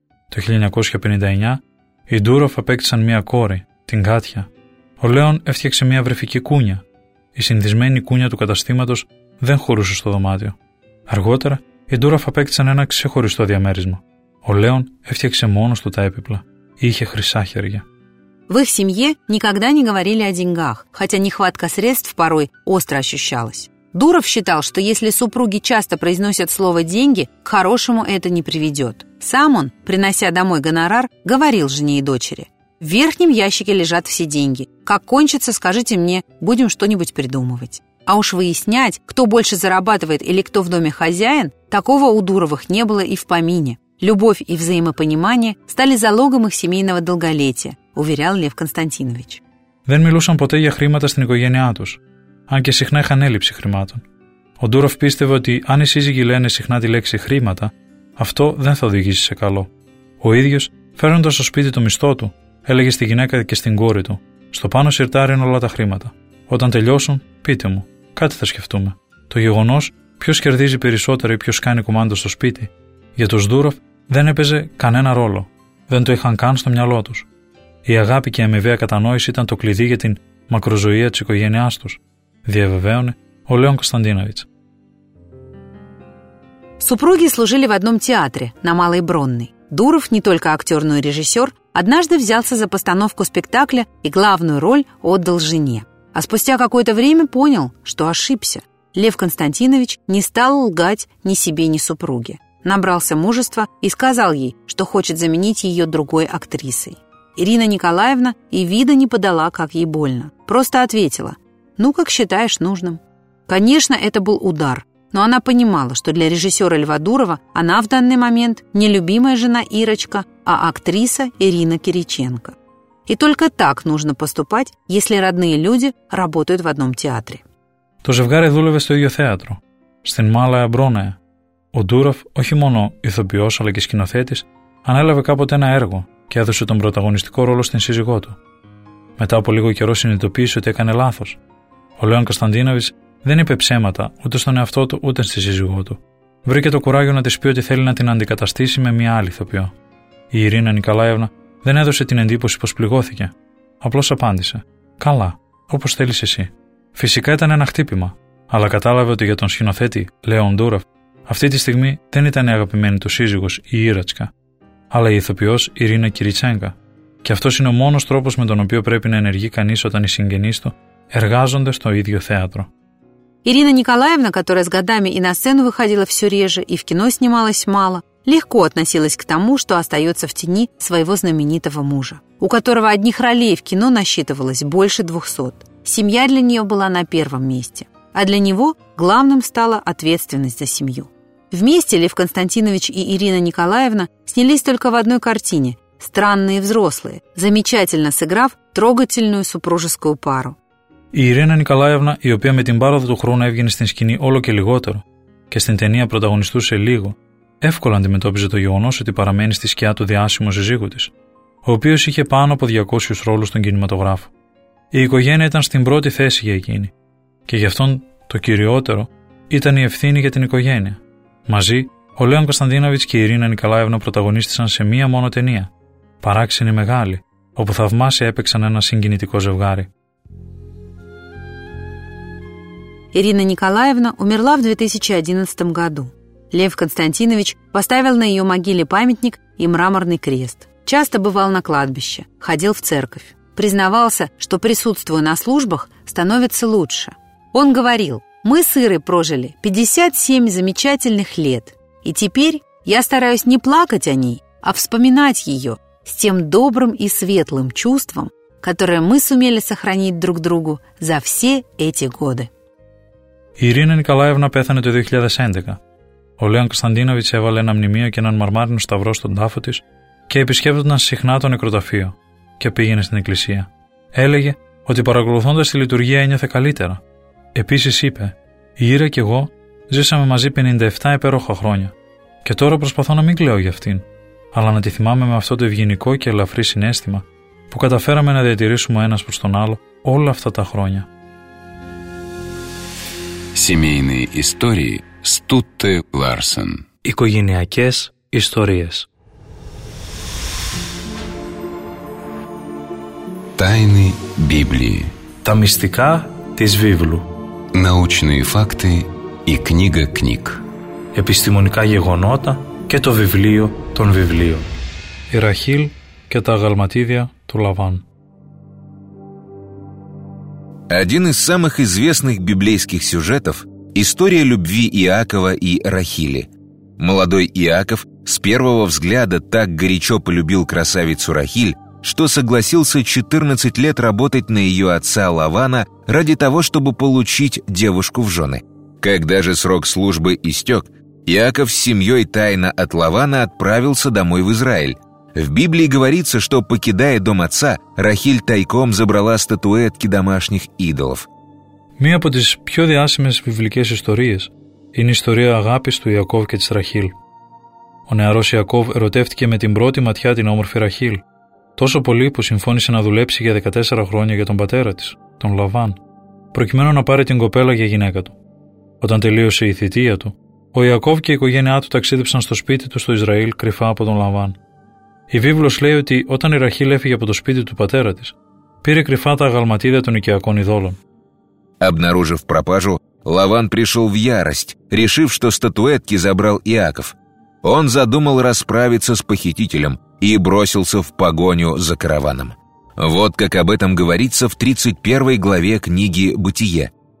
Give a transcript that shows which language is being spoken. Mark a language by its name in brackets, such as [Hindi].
[Greek] Το 1959, οι Ντούροφ απέκτησαν μια κόρη, την Κάτια. Ο Λέων έφτιαξε μια βρεφική κούνια. Η συνδυσμένη κούνια του καταστήματος δεν χωρούσε στο δωμάτιο. Αργότερα, οι Ντούροφ απέκτησαν ένα ξεχωριστό διαμέρισμα. Ο Λέων έφτιαξε μόνος του τα έπιπλα. Είχε χρυσά χέρια. [Russian] В их семье никогда не говорили о деньгах, хотя нехватка средств порой остро ощущалась. Дуров считал, что если супруги часто произносят слово «деньги», к хорошему это не приведет. Сам он, принося домой гонорар, говорил жене и дочери: «В верхнем ящике лежат все деньги. Как кончится, скажите мне, будем что-нибудь придумывать». А уж выяснять, кто больше зарабатывает или кто в доме хозяин, такого у Дуровых не было и в помине. Любовь и взаимопонимание стали залогом их семейного долголетия, уверял Лев Константинович. [Greek] Δεν μιλούσαν ποτέ για χρήματα στην οικογένειά τους, αν και συχνά είχαν έλλειψη χρημάτων. Ο Ντούροφ πίστευε ότι αν οι σύζυγοι λένε συχνά τη λέξη χρήματα, αυτό δεν θα οδηγήσει σε καλό. Ο ίδιος, φέρνοντας στο σπίτι το μισθό του, έλεγε στη γυναίκα και στην κόρη του: «Στο πάνω σιρτάρι είναι όλα τα χρήματα. Όταν τελειώσουν, πείτε μου, κάτι θα σκεφτούμε. Το γεγονός ποιος κερδίζει περισσότερο ή ποιος κάνει κουμάντο στο σπίτι, για τους Ντούροφ δεν έπαιζε κανένα ρόλο. Δεν το είχαν καν στο μυαλό τους. Η αγάπη και η αμοιβαία κατανόηση ήταν το κλειδί για την μακροζωία της οικογένειάς τους», διαβεβαίωνε ο Λέων Κωνσταντίνοβιτς. [Russian] Супруги служили в одном театре, на Малой Бронной. Дуров, не только актер, но и режиссер, однажды взялся за постановку спектакля и главную роль отдал жене. А спустя какое-то время понял, что ошибся. Лев Константинович не стал лгать ни себе, ни супруге. Набрался мужества и сказал ей, что хочет заменить ее другой актрисой. Ирина Николаевна и вида не подала, как ей больно. Просто ответила: «Ну, как считаешь нужным». Конечно, это был удар, но она понимала, что для режиссера Льва Дурова она в данный момент не любимая жена Ирочка, а актриса Ирина Кириченко. И только так нужно поступать, если родные люди работают в одном театре. [Greek] То ζευγάρι δούλευε στο ίδιο θέατρο, στην Малая Бронная. Ο Ντούροφ, όχι μόνο ηθοποιός αλλά και σκηνοθέτης, ανέλαβε κάποτε ένα έργο και έδωσε τον πρωταγωνιστικό ρόλο στην σύζυγό του. Μετά από λίγο καιρό συνειδητοποίησε ότι έκανε λάθος. Ο Λέων Κωνσταντίνοβιτς δεν είπε ψέματα ούτε στον εαυτό του ούτε στη σύζυγό του. Βρήκε το κουράγιο να της πει ότι θέλει να την αντικαταστήσει με μια άλλη ηθοποιό. Η Ειρήνα Νικολάευνα δεν έδωσε την εντύπωση πως πληγώθηκε. Απλώς απάντησε: «Καλά, όπως θέλεις εσύ». Φυσικά ήταν ένα χτύπημα, αλλά κατάλαβε ότι για τον σκηνοθέτη Λέων Ντούροφ αυτή τη στιγμή δεν ήταν η αγαπημένη του σύζυγος η Ήρατσκα, αλλά η ηθοποιός Ειρήνα Κυριτσέγκα. Και αυτός είναι ο μόνος τρόπος με τον οποίο πρέπει να ενεργεί κανείς όταν οι συγγενείς του εργάζονται στο ίδιο θέατρο. [Russian] Ирина Николаевна, которая с годами и на сцену выходила все реже, и в кино снималась мало, легко относилась к тому, что остается в тени своего знаменитого мужа. у которого одних ролей в кино насчитывалось больше 200. Семья для нее была на первом месте, а для него главным стала ответственность за семью. Вместе Лев Константинович и Ирина Николаевна снялись только в одной картине «Странные взрослые», замечательно сыграв трогательную супружескую пару. [Greek] Η Ειρήνα Νικολάευνα, η οποία με την πάροδο του χρόνου έβγαινε στην σκηνή όλο και λιγότερο και στην ταινία πρωταγωνιστούσε λίγο, εύκολα αντιμετώπιζε το γεγονός ότι παραμένει στη σκιά του διάσημου συζύγου της, ο οποίος είχε πάνω από 200 ρόλους στον κινηματογράφο. Η οικογένεια ήταν στην πρώτη θέση για εκείνη και γι' αυτόν το κυριότερο ήταν η ευθύνη για την οικογένεια. Μαζί, ο Λέων Κωνσταντίνοβιτς και η Ειρήνα Νικολάευνα πρωταγωνίστησαν σε μία μόνο ταινία, Παράξενη Μεγάλη, όπου θαυμάσια έπαιξαν ένα συγκινητικό ζευγάρι. [Russian] Ирина Николаевна умерла в 2011 году. Лев Константинович поставил на ее могиле памятник и мраморный крест. Часто бывал на кладбище, ходил в церковь. Признавался, что, присутствуя на службах, становится лучше. Он говорил: «Мы с Ирой прожили 57 замечательных лет, и теперь я стараюсь не плакать о ней, а вспоминать ее с тем добрым и светлым чувством, которое мы сумели сохранить друг другу за все эти годы». [Greek] Η Ειρήνα Νικολάευνα πέθανε το 2011. Ο Λέων Κωνσταντίνοβιτς έβαλε ένα μνημείο και έναν μαρμάρινο σταυρό στον τάφο της και επισκέπτονταν συχνά το νεκροταφείο και πήγαινε στην εκκλησία. Έλεγε ότι παρακολουθώντας τη λειτουργία ένιωθε καλύτερα. Επίσης είπε: «Η Ήρα και εγώ ζήσαμε μαζί 57 υπέροχα χρόνια και τώρα προσπαθώ να μην κλαίω για αυτήν, αλλά να τη θυμάμαι με αυτό το ευγενικό και ελαφρύ συνέστημα που καταφέραμε να διατηρήσουμε ένας προς τον άλλο όλα αυτά τα χρόνια». [Russian] Семейные истории Стутте Ларсен. [Greek] Οικογενειακές ιστορίες. [Russian] Тайны Библии. [Greek] Τα μυστικά της Βίβλου. [Russian] Научные факты и книга книг. [Greek] Επιστημονικά γεγονότα και το βιβλίο των βιβλίων. Η Ραχήλ και τα αγαλματίδια του Λαβάν. [Russian] Один из самых известных библейских сюжетов – история любви Иакова и Рахили. Молодой Иаков с первого взгляда так горячо полюбил красавицу Рахиль, что согласился 14 лет работать на ее отца Лавана ради того, чтобы получить девушку в жены. Когда же срок службы истек, Иаков с семьей тайно от Лавана отправился домой в Израиль. В Библии говорится, что, покидая дом отца, Рахиль тайком забрала статуэтки домашних идолов. [Greek] Мия από τις πιο διάσημες βιβλικές ιστορίες είναι η ιστορία αγάπης του Ιακώβ και της Ραχήλ. Ο νεαρός Ιακώβ ερωτεύτηκε με την πρώτη ματιά την όμορφη Ραχήλ, τόσο πολύ που συμφώνησε να δουλέψει για 14 χρόνια για τον πατέρα της, τον Λαβάν, προκειμένου να πάρει την κοπέλα για γυναίκα του. Όταν τελείωσε η θητεία του, ο Ιακώβ και η οικογένειά του ταξίδεψαν στο σπίτι του στο Ισραήλ κρυφά από τον Λαβάν. Η Βίβλος λέει ότι όταν η Ραχήλ έφυγε από το σπίτι του πατέρα της, πήρε κρυφά τα αγαλματίδια των οικιακών ειδόλων. [Russian] Обнаружив пропажу, Лаван пришел в ярость, решив, что статуэтки забрал Иаков. Он задумал расправиться с похитителем и бросился в погоню за караваном. Вот как об этом говорится в 31 главе книги «Бытие».